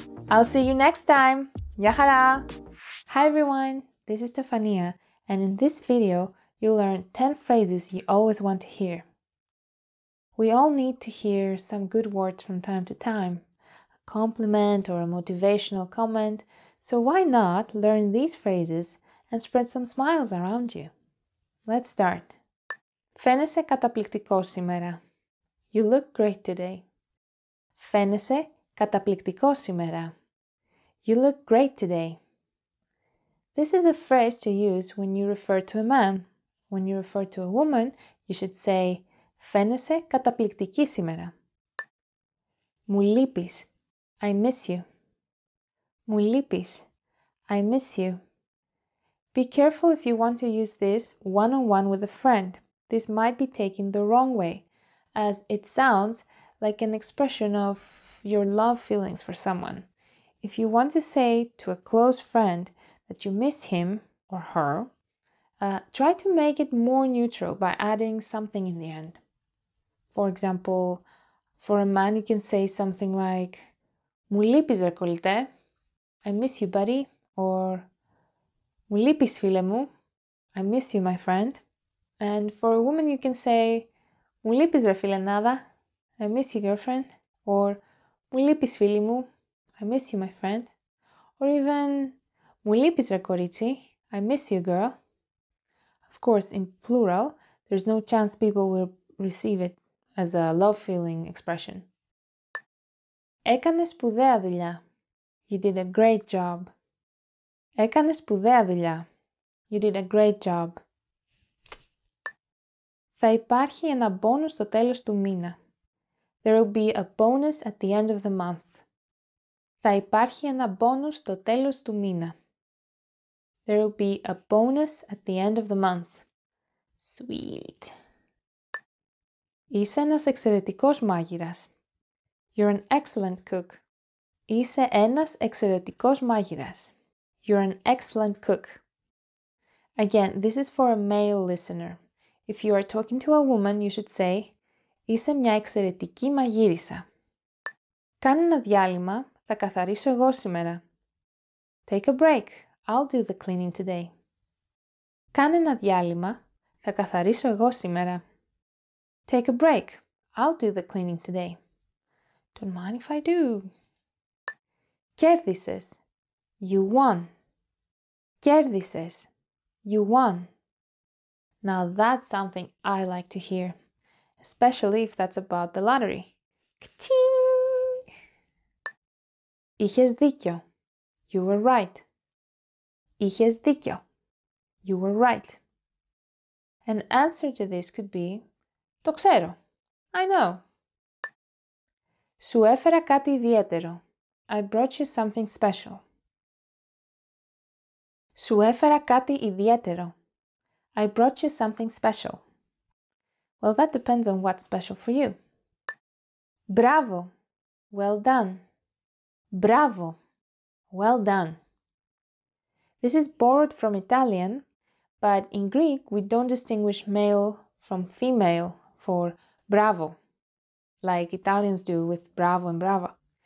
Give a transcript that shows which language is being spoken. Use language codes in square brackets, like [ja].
[en] I'll see you next time! [el] Γεια χαρά! [en] Hi everyone, this is Stefania and in this video you'll learn 10 phrases you always want to hear. We all need to hear some good words from time to time, a compliment or a motivational comment, so why not learn these phrases and spread some smiles around you? Let's start. [el] Φαίνεσαι καταπληκτικός σήμερα. [en] You look great today. [el] Φαίνεσαι καταπληκτικός σήμερα. [en] You look great today. This is a phrase to use when you refer to a man. When you refer to a woman, you should say [el] Φαίνεσαι καταπληκτική σήμερα. Μου λείπεις. [en] I miss you. [el] Μου λείπεις. [en] I miss you. Be careful if you want to use this one-on-one with a friend. This might be taken the wrong way, as it sounds like an expression of your love feelings for someone. If you want to say to a close friend that you miss him or her, try to make it more neutral by adding something in the end. For example, for a man you can say something like [el] Μου λείπεις, ρεκολητέ. [en] I miss you, buddy. Or [el] Μου λείπεις, φίλε μου. [en] I miss you, my friend. And for a woman you can say [el] Μου λείπεις, ρε φιλενάδα. [en] I miss you, girlfriend. Or [el] Μου λείπεις, φίλη μου. [en] I miss you, my friend. Or even [el] Μου λείπεις, ρε κορίτσι. [en] I miss you, girl. Of course, in plural, there's no chance people will receive it as a love feeling expression. [el] Έκανες σπουδαία δουλειά. [en] You did a great job. [el] Έκανες σπουδαία δουλειά. [en] You did a great job. [el] Θα υπάρχει ένα bonus στο τέλος του μήνα. [en] There will be a bonus at the end of the month. [el] Θα υπάρχει ένα bonus στο τέλος του μήνα. [en] There will be a bonus at the end of the month. Sweet. [el] Είσαι ένας εξαιρετικός μάγειρας. [en] You're an excellent cook. [el] Είσαι ένας εξαιρετικός μάγειρας. [en] You're an excellent cook. Again, this is for a male listener. If you are talking to a woman, you should say [el] Είσαι μια εξαιρετική μαγείρισα. Κάνε ένα διάλειμμα, θα καθαρίσω εγώ σήμερα. [en] Take a break. I'll do the cleaning today. [el] Κάνε ένα διάλειμμα, θα καθαρίσω εγώ σήμερα. [en] Take a break. I'll do the cleaning today. Don't mind if I do. [el] Κέρδισες. [en] You won. Κέρδισες. You won. Now that's something I like to hear. Especially if that's about the lottery. Ka-ching! [el] Είχες δίκιο. [en] You were right. Είχες δίκιο. You were right. An answer to this could be [el] Το ξέρω. [en] I know. [el] Σου έφερα κάτι ιδιαίτερο. [en] I brought you something special. [el] Σου έφερα κάτι ιδιαίτερο. [en] I brought you something special. Well, that depends on what's special for you. Bravo. Well done. Bravo. Well done. This is borrowed from Italian, but in Greek we don't distinguish male from female for bravo, like Italians do with bravo and brava.